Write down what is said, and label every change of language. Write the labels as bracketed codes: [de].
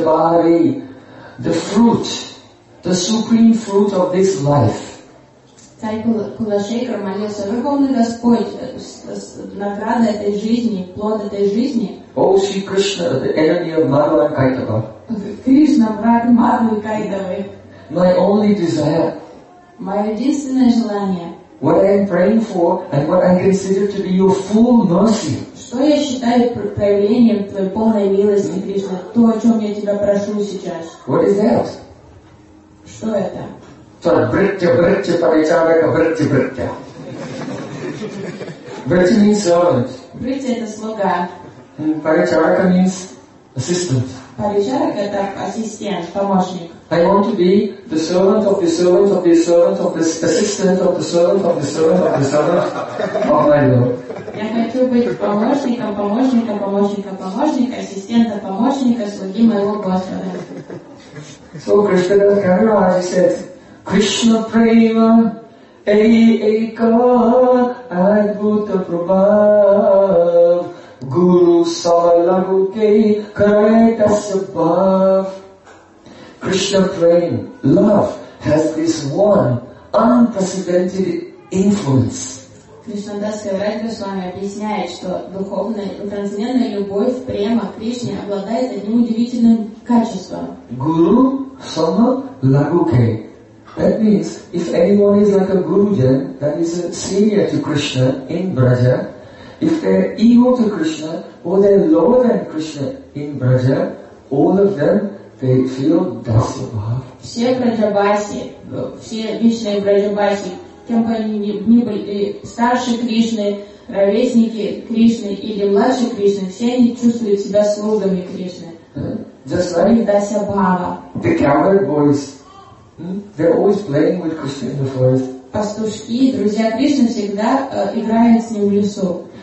[en] The fruit, the supreme fruit of this life. [ru] Царь Кулашейкар молился, Верховный Господь, награда этой жизни, плод этой жизни. [en] О, Шри Кришна, the enemy of Мару and Кайтава. [ru] Кришна, враг Мару и Кайтавы. [en] My only desire. [ru] Мое единственное желание. [en] What I am praying for and what I consider to be your full mercy. [ru] Что я считаю проявлением твоей полной милости, Кришна? То, о чем я тебя прошу сейчас. [en] What is that? [ru] Что это? [sa] То бритья бритья паричарака бритья бритья. [en] Бритья means servant. [ru] Бритья это слуга. [en] Паричарака means assistant. [ru] Паричарака это ассистент, помощник. [en] I want to be the servant of the servant of the servant of the assistant of the servant of the servant of the servant of my Lord. [ru] Я хочу быть помощником, помощником, помощником, помощником, ассистента, помощника, слуги моего Господа. [en] So Krishna Das Kaviraj said, [sa] Krishna Prema Eka Adbhuta Prabhav Guru Salagu Ke Karaitas Bhav. [en] Krishna praying, love has this one unprecedented influence. [ru] Кришна Дасгавараджа с вами объясняет, что духовная, трансцендентная любовь, према Кришне обладает одним удивительным качеством. [sa] Guru Sama Laguke. [en] That means, if anyone is like a Gurujan, that is a senior to Krishna in Braja, if they're equal to Krishna, or they're lower than Krishna in Braja, all of them they feel dasya bhav. [ru] Все браджабаси, все вечные браджабаси, кем бы они ни были, старшие Кришны, ровесники Кришны или младшие Кришны, все они чувствуют себя слугами Кришны. [en] Just like [sa] dasya bhava. [en] The cowherd boys, they're always playing with Krishna in the forest. [ru] Пастушки, друзья Кришны всегда играют с ним в лесу.